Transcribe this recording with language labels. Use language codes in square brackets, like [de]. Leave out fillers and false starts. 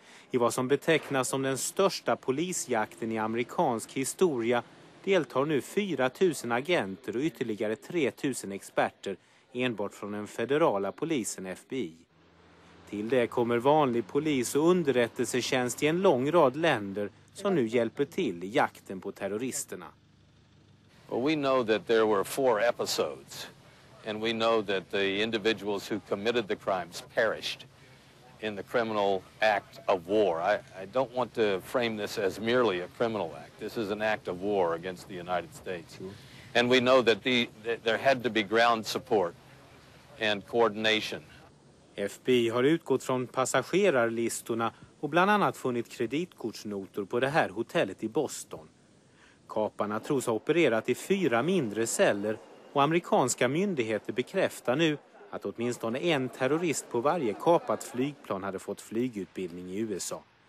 [sv] I vad som betecknas som den största polisjakten i amerikansk historia deltar nu 4000 agenter och ytterligare 3000 experter enbart från den federala polisen FBI. Till det kommer vanlig polis och underrättelsetjänst i en lång rad länder som nu hjälper till i jakten på terroristerna. [en] Well, we know that there were four episodes, and we know that the individuals who committed the crimes perished in the criminal act of war. I don't want to frame this as merely a criminal act. This is an act of war against the United States. And we know that there had to be ground support and coordination. [sv] FBI har utgått från passagerarlistorna och bland annat funnit kreditkortsnotor på det här hotellet i Boston. Kaparna tros ha opererat i fyra mindre celler, och amerikanska myndigheter bekräftar nu att åtminstone en terrorist på varje kapat flygplan hade fått flygutbildning i USA.